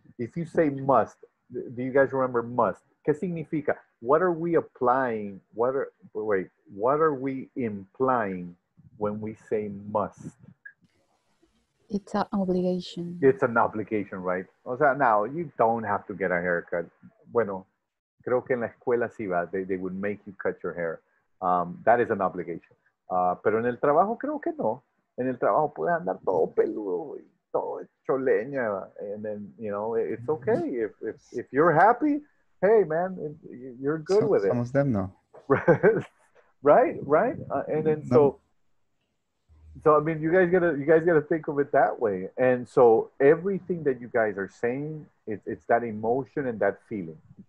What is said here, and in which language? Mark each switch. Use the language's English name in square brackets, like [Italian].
[English] If you say must, do you guys remember must? [Spanish] ¿Qué significa? [English] What are we applying? What are we implying when we say must? It's an obligation. It's an obligation, right? [Spanish] O sea, [English] now, you don't have to get a haircut. [Spanish] Bueno, creo que en la escuela sí va. [English] They would make you cut your hair. That is an obligation. [Spanish] Pero en el trabajo creo que no. En el trabajo puedes andar todo peludo y todo hecho leña. [English] And then, you know, it's okay. If you're happy, hey, man, you're good with it. Some of them, no. Right? Right? So... So, I mean, you guys gotta think of it that way. And so everything that you guys are saying, it's that emotion and that feeling.